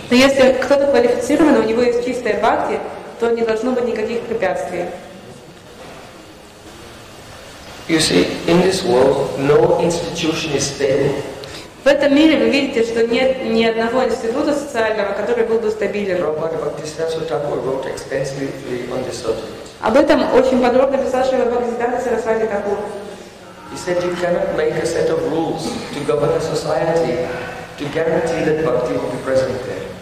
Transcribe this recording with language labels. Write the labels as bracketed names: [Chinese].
[Russian] Но если кто-то квалифицирован, у него есть чистая бхакти, то не должно быть никаких препятствий. [English] You see, in this world, no institution is stable. [Russian] В этом мире вы видите, что нет ни одного института социального, который был бы стабилен. Об этом очень подробно писал Шрила Бхактисиддханта Сарасвати Тхакур. [English] He said you cannot make a set of rules to govern a society to guarantee that bhakti will be present there.